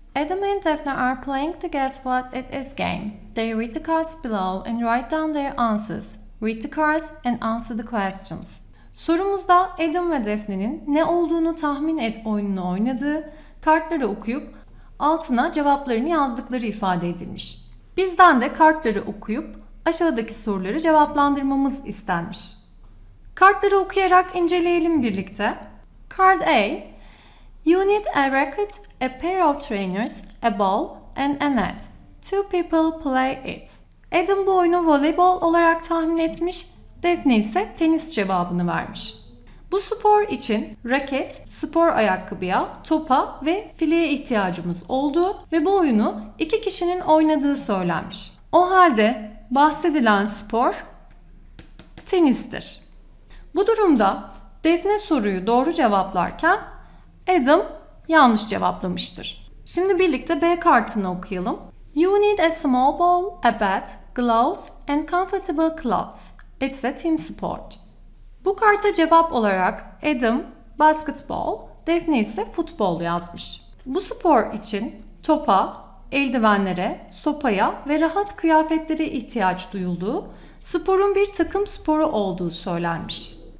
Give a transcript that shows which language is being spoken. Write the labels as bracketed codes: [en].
[en] Adam and Daphne are playing to guess what it is game. They read the cards below and write down their answers. Read the cards and answer the questions. [tr] Sorumuzda Adam ve Daphne'nin ne olduğunu tahmin et oyununu oynadığı, kartları okuyup altına cevaplarını yazdıkları ifade edilmiş. Bizden de kartları okuyup aşağıdaki soruları cevaplandırmamız istenmiş. Kartları okuyarak inceleyelim birlikte. [en] Card A. You need a racket, a pair of trainers, a ball and a net. Two people play it. [tr] Adam bu oyunu voleybol olarak tahmin etmiş, Daphne ise tenis cevabını vermiş. Bu spor için raket, spor ayakkabıya, topa ve fileye ihtiyacımız olduğu ve bu oyunu iki kişinin oynadığı söylenmiş. O halde bahsedilen spor tenistir. Bu durumda Daphne soruyu doğru cevaplarken Adam yanlış cevaplamıştır. Şimdi birlikte B kartını okuyalım. [en] You need a small ball, a bat, gloves and comfortable clothes. It's a team sport. [tr] Bu karta cevap olarak Adam basketball, Daphne ise futbol yazmış. Bu spor için topa, eldivenlere, sopaya ve rahat kıyafetlere ihtiyaç duyulduğu, sporun bir takım sporu olduğu söylenmiş.